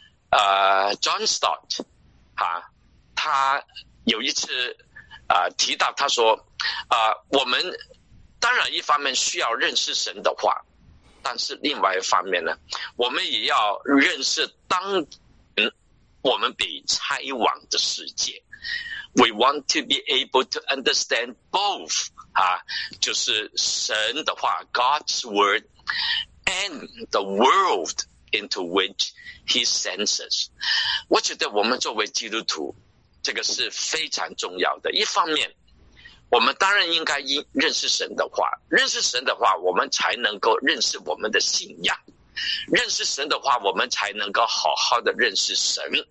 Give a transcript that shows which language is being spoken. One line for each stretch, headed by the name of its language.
Chinese: John Stott 他有一次提到，他说我们当然一方面需要认识神的话，但是另外一方面呢，我们也要认识当前我们被差往的世界。
English: We want to be able to understand both,
Chinese: 就是神的话
English: God's word and the world into which he sends us.
Chinese: 我觉得我们作为基督徒，这个是非常重要的。一方面我们当然应该认识神的话，认识神的话我们才能够认识我们的信仰，认识神的话我们才能够好好的认识神。